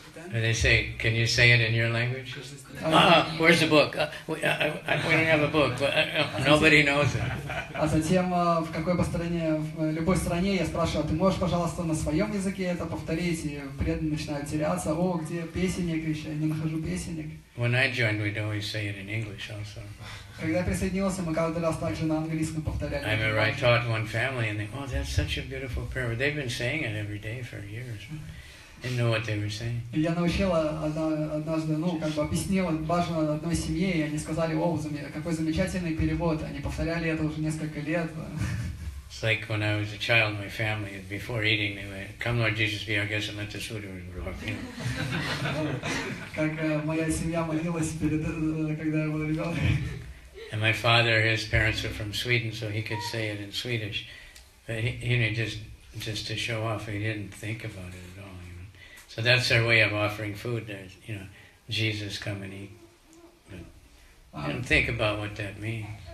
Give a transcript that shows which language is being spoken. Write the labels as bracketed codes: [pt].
[en] And they say, can you say it in your language? Where's the book? We don't have a book, but nobody knows it. [ru] А затем в какой бы стране, в любой стране, я спрашиваю, ты можешь, пожалуйста, на своем языке это повторить? И преданные начинают теряться. О, где песенник еще? Я не нахожу песенник. [en] When I joined, we'd always say it in English also. [ru] Когда присоединился, мы каждый раз также на английском повторяли. [en] I remember I taught one family, and they, oh, that's such a beautiful prayer. They've been saying it every day for years. Didn't know what they were saying. [ru] Я научила однажды, ну, как бы объяснила бажану одной семье, и они сказали, о, какой замечательный перевод. Они повторяли это уже несколько лет. [en] It's like when I was a child, my family, before eating, they went, come Lord Jesus, be our guest, and let the food be brought. [ru] Как моя семья молилась перед, когда я был ребенок. [en] And my father, his parents were from Sweden, so he could say it in Swedish. But he, you know, just to show off, he didn't think about it. So that's their way of offering food. There's, you know, Jesus come and eat. But I don't think about what that means.